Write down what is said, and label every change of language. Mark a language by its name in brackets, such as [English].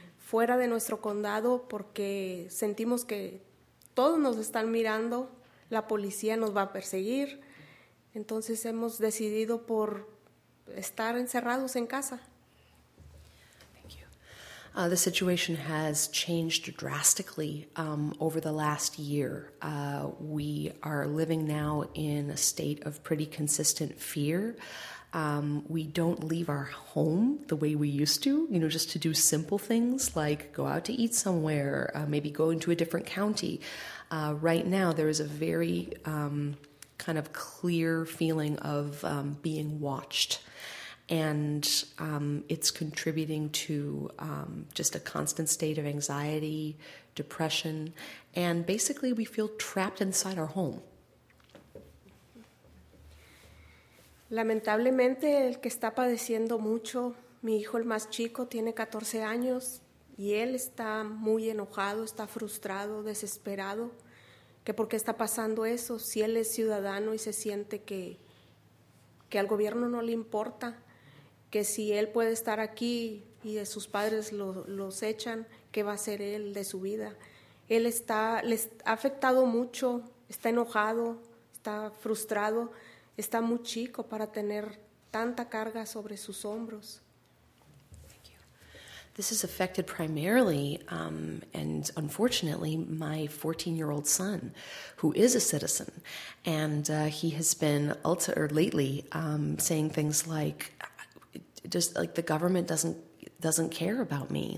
[Spanish] fuera de nuestro condado porque sentimos que todos nos están mirando, la policía nos va a perseguir. Entonces hemos decidido por estar encerrados en casa. [English] Thank you. The situation has changed drastically over the last year. We are living now in a state of pretty consistent fear. We don't leave our home the way we used to, you know, just to do simple things like go out to eat somewhere, maybe go into a different county. Right now, there is a very kind of clear feeling of being watched. And it's contributing to just a constant state of anxiety, depression, and basically we feel trapped inside our home. [Spanish] Lamentablemente, el que está padeciendo mucho, mi hijo el más chico, tiene 14 años y él está muy enojado, está frustrado, desesperado, que por qué está pasando eso, si él es ciudadano y se siente que al gobierno no le importa, que si él puede estar aquí y de sus padres los echan, ¿qué va a hacer él de su vida? Él está, les ha afectado mucho, está enojado, está frustrado. Está muy chico para tener tanta carga sobre sus hombros. [English] Thank you. This is affected primarily, and unfortunately, my 14-year-old son, who is a citizen, and he has been lately saying things like, just like the government doesn't care about me.